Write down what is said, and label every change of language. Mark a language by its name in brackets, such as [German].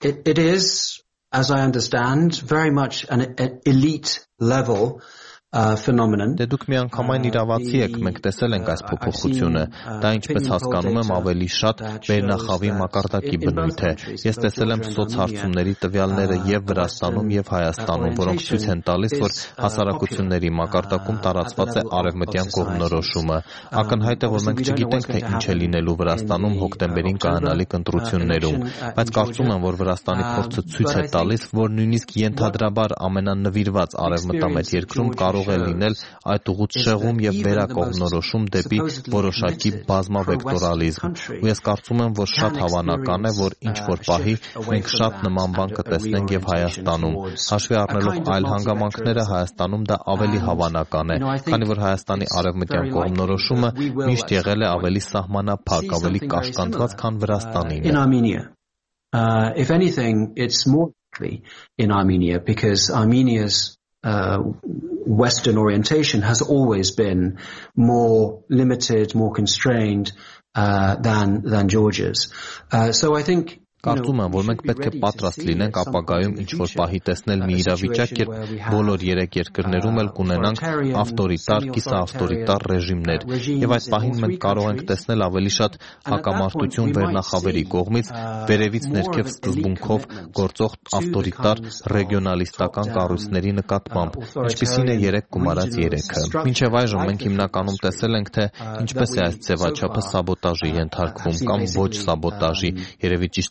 [English] It is, as I understand, very much an elite level phenomenon. [Armenian] Դե դուք մի անգամ այն իրավացի եք, մենք տեսել ենք այս փոփոխությունը։ Դա ինչպես հասկանում եմ, ավելի շատ վերնախավի մակարդակի բնույթ է։ Ես տեսել եմ սոցհարցումների տվյալները եւ Վրաստանում, եւ Հայաստանում, որոնք ցույց են տալիս, որ հասարակությունների մակարդակում տարածված է արևմտյան կողմնորոշումը։ Ակնհայտ է, որ մենք չգիտենք, թե ինչ է լինելու Վրաստանում հոկտեմբերին կանալի կտրություններում, բայց կարծում եմ, որ Վրաստանի փորձը ցույց է տալիս, որ նույնիսկ ենթադրաբար ամենանվիրված արևմտամետ երկրում կարող է լինել այդ ուղղից շեղում եւ վերակողմնորոշում դեպի որոշակի բազմավեկտորալիզմ։ Ու ես կարծում եմ, որ շատ հավանական է, որ ինչ որ պահի մենք շատ նման բան կտեսնենք եւ Հայաստանում։ Հաշվի առնելով այլ հանգամանքները, Հայաստանում դա ավելի հավանական է, քանի որ Հայաստանի արևմտյան կողմնորոշումը միշտ եղել է ավելի սահմանափակ, ավելի կաշկանդված, քան Վրաստանին։ [English] If anything, it's more likely in Armenia, because Armenia's Western orientation has always been more limited, more constrained than Georgia's. So I think [Armenian] կարծում եմ, որ մենք պետք է պատրաստ լինենք ապագայում ինչ որ պահի տեսնել մի իրավիճակ, երբ բոլոր երեք երկրներում էլ կունենանք ավտորիտար, կիսաավտորիտար ռեժիմներ, եւ այդ պահին մենք կարող ենք տեսնել ավելի շատ հակամարտություն վերնախավերի կողմից, վերևից ներքև սկզբունքով գործող ավտորիտար ռեգիոնալիստական կառույցների նկատմամբ, ինչպիսին է 3+3-ը։ Մինչև այժմ մենք հիմնականում տեսել ենք, թե ինչպես է այս ձևաչափը սաբոտաժի ենթարկվում կամ ոչ սաբոտաժի, երևի